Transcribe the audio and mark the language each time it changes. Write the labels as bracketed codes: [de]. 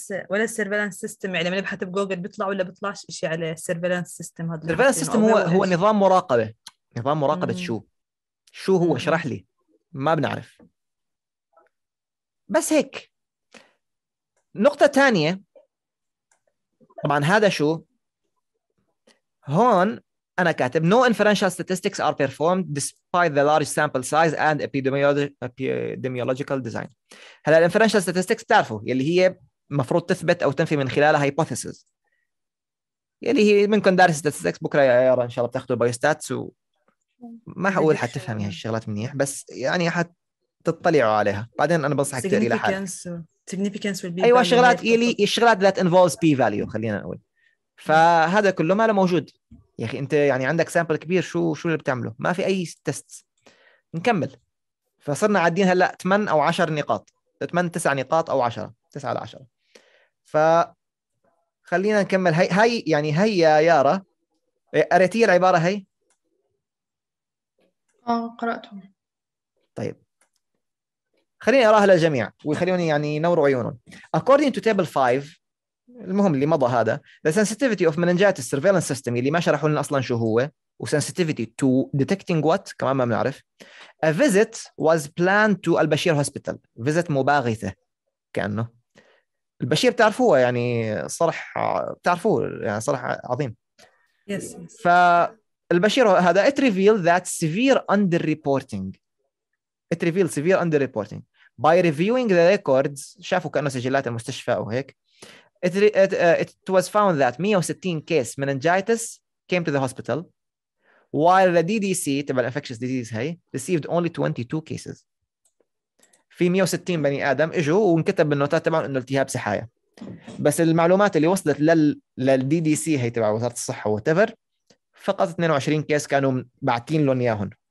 [ar] ولا surveillance system يعني بنبحث بجوجل بيطلع ولا بيطلعش شيء على surveillance system. هذا surveillance system هو نظام مراقبة. نظام مراقبة شو هو اشرح لي، ما بنعرف بس هيك. [en] نقطة تانية طبعاً [ar] هذا شو هون أنا كاتب [en] no inferential statistics are performed despite the large sample size and epidemiological design. [ar] هلا inferential statistics تعرفوا يلي هي مفروض تثبت أو تنفي من خلالها hypothesis، يلي هي منكم دارس statistics بكرة يا يارا إن شاء الله بتاخدوا biostats وما حقول حتفهمي هالشغلات منيح، بس يعني حتطلعوا عليها بعدين. أنا بنصحك تقري لحالك [en] significance will be. [ar] ايوه شغلات يلي الشغلات [en] that involves p value [ar] خلينا نقول. فهذا كله ما له موجود يا اخي، انت يعني عندك سامبل كبير شو اللي بتعمله؟ ما في اي تيست. نكمل. فصرنا عادين هلا 8 او 10 نقاط، 8 9 نقاط او 10 9 على 10. ف خلينا نكمل. هي يعني هي يا يارا قريتي العباره هي؟ قراتهم. طيب خليني أراها للجميع ويخليوني يعني ينوروا عيونهم. [en] According to table 5 [ar] المهم اللي مضى هذا [en] the sensitivity of meningitis surveillance system [ar] اللي ما شرحوا لنا أصلا شو هو [en] و sensitivity to detecting what [ar] كمان ما بنعرف. [en] A visit was planned to البشير hospital. [ar] visit مباغثة كأنه البشير تعرفوه يعني صرح تعرفوه يعني صرح عظيم. [en] yes. [ar] فالبشير هذا [en] it revealed that severe under reporting. It revealed severe underreporting by reviewing the records. [ar] شافوا كأنه سجلات المستشفى أو هيك. [en] It was found that 160 case meningitis came to the hospital, while the DDC تبع infectious disease هاي received only 22 cases. [ar] في 160 بني آدم إجوا وانكتب بالنوتات تبعهم إنه التهاب سحايا. بس المعلومات اللي وصلت لل DDC هاي تبع وزارة الصحة whatever فقط 22 كيس كانوا بعتين لهم ياهن.